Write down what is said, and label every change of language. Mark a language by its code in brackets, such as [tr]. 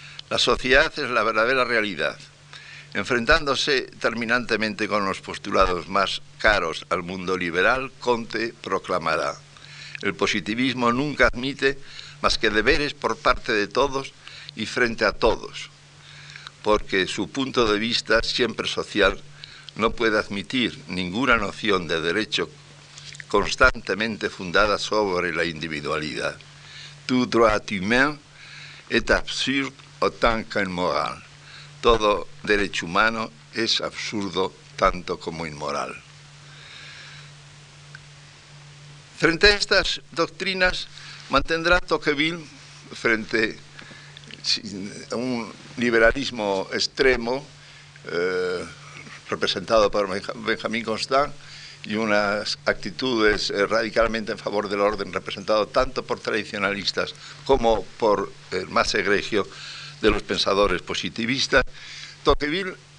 [es] La sociedad es la verdadera realidad. Enfrentándose terminantemente con los postulados más caros al mundo liberal, Comte proclamará: el positivismo nunca admite más que deberes por parte de todos y frente a todos, porque su punto de vista, siempre social, no puede admitir ninguna noción de derecho constantemente fundada sobre la individualidad. [fr] Tout droit humain est absurde autant qu'immoral. [es] Todo derecho humano es absurdo tanto como inmoral. Frente a estas doctrinas, mantendrá Tocqueville, frente a un liberalismo extremo, representado por Benjamín Constant, y unas actitudes radicalmente en favor del orden, representado tanto por tradicionalistas como por el más egregio de los pensadores positivistas, Tocqueville